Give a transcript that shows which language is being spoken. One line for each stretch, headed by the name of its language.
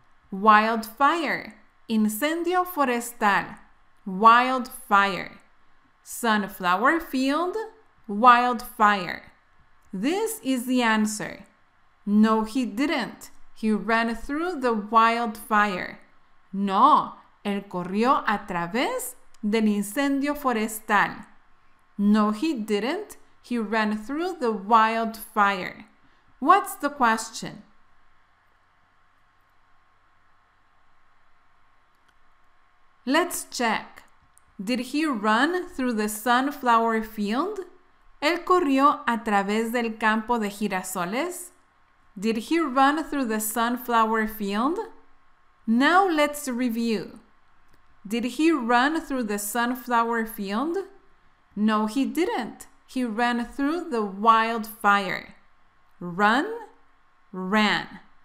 English: Wildfire.
Spanish: Incendio forestal.
English: Wildfire. Sunflower field. Wildfire. This is the answer. No, he didn't. He ran through the wildfire.
Spanish: No, él corrió a través del incendio forestal.
English: No, he didn't. He ran through the wildfire. What's the question? Let's check. Did he run through the sunflower field?
Spanish: ¿Él corrió a través del campo de girasoles?
English: Did he run through the sunflower field? Now let's review. Did he run through the sunflower field? No, he didn't. He ran through the wildfire. Run, ran.